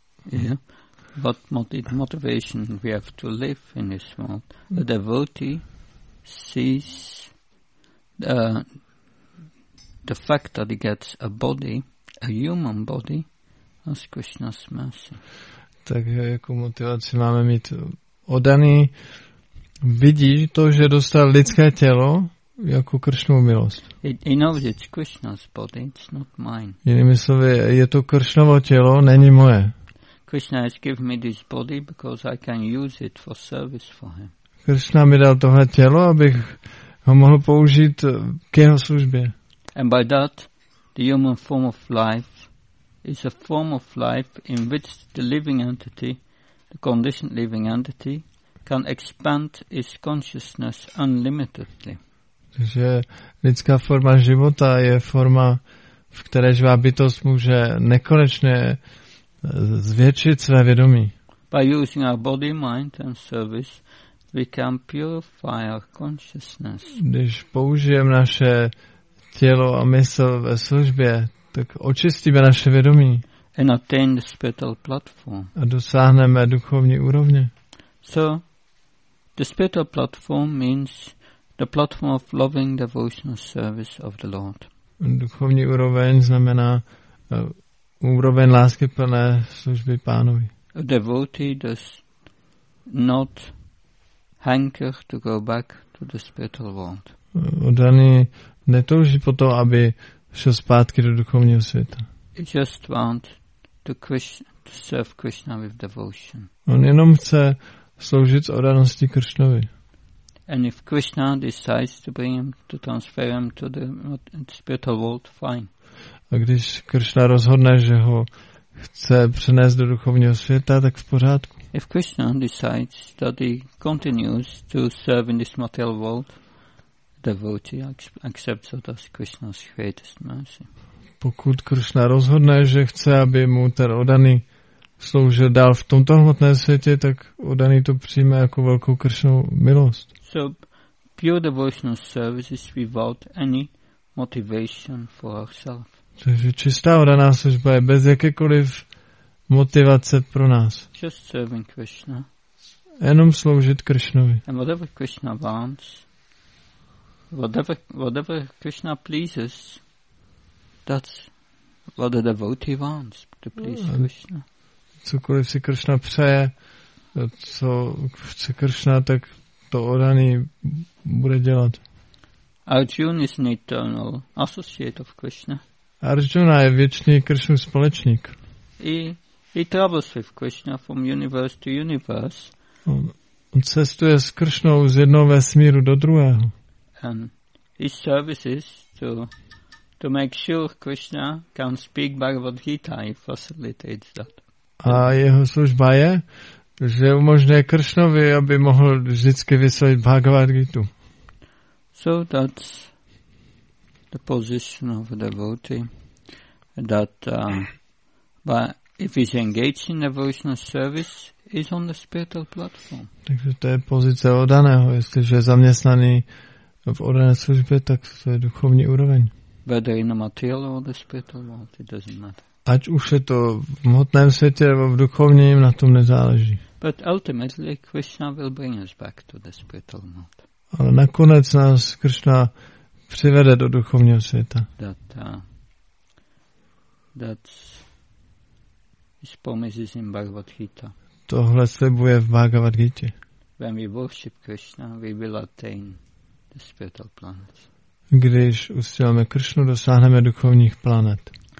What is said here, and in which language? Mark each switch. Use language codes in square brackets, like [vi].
[en] Yeah. What motivation we have to live in this world? The devotee sees the fact that he gets a body, a human body, as Krishna's mercy. [cs] Tak jakou motivaci máme mít? Odaný vidí to, že dostal lidské tělo jako Kršnovu milost. [en] It's Krishna's body, it's not mine. [cs] Jinými slovy, je to Kršnovo tělo, není moje. [en] Krishna has given me this body because I can use it for service for him. [cs] Krishna mi dal tohle tělo, abych ho mohl použít k jeho službě. [en] And by that, the human form of life is a form of life in which the living entity, the conditioned living entity, can expand its consciousness unlimitedly. [cs] Takže lidská forma života je forma, v které živá bytost může nekonečně zvětšit své vědomí. [en] By using our body, mind and service, we can purify our consciousness. [cs] Když použijeme naše tělo a mysl ve službě, tak očistíme naše vědomí. [en] And attain the spiritual platform. [cs] A dosáhneme duchovní úrovně. [en] So, the spiritual platform means the platform of loving devotional service of the Lord. [cs] Duchovní úroveň znamená úroveň lásky plné služby Pánovi. [en] A devotee does not hanker to go back to the spiritual world. [cs] Oddaný netouží po to, aby šel zpátky do duchovního světa. [en] He just want to serve Krishna with devotion. [cs] On jenom chce sloužit s oddaností Kršnovi. [en] And if Krishna decides to bring him, to transfer him to the spiritual world, fine. [cs] A když Kršna rozhodne, že ho chce přenést do duchovního světa, tak v pořádku. [en] If Krishna decides that he continues to serve in this material world, devotee accepts that as Krishna's greatest mercy. [cs] Pokud Krishna rozhodne, že chce, aby mu ten oddaný sloužil dál v tomto hmotném světě, tak oddaný to přijme jako velkou Krishnovu milost. [en] So pure devotional service is without any motivation for ourselves. [cs] Takže čistá oddaná služba je bez jakékoliv motivace pro nás. [en] Just serving Krishna. [cs] Jenom sloužit Krishnovi. [en] And whatever Krishna wants, whatever Krishna pleases, that's what the devotee wants, to please Krishna. [cs] Cokoliv si Krishna přeje, co chce Krishna, tak to oddaný bude dělat. [en] Arjuna is an eternal associate of Krishna. [cs] Arjuna je věčný Krishnův společník. [en] He travels with Krishna from universe to universe. [cs] On cestuje s Krishnou z jednoho vesmíru do druhého. [en] And his service is to make sure Krishna can speak Bhagavad Gita, he facilitates that. [cs] A jeho služba je, že umožňuje Krishnovi, aby mohl vždycky vyslovit Bhagavad Gita. [en] So that's the position of a devotee, that but if he's engaged in devotional service, he's on the spiritual platform. [cs] Takže to je pozice oddaného, jestliže je zaměstnaný v oddané službě, tak to je duchovní úroveň. [en] Whether in a material or the spiritual world, it doesn't matter. [cs] Ať už je to v hmotném světě nebo v duchovním, na tom nezáleží. [en] But ultimately Krishna will bring us back to the spiritual world. [cs] Ale nakonec nás Krishna přivede do duchovního světa. [en] That's promises in Bhagavad Gita. [cs] Tohle slibuje v Bhagavad Gita. [en] When we worship Krishna, we will attain the spiritual planets. [cs] Když usilujeme Krishnu, dosáhneme duchovních planet.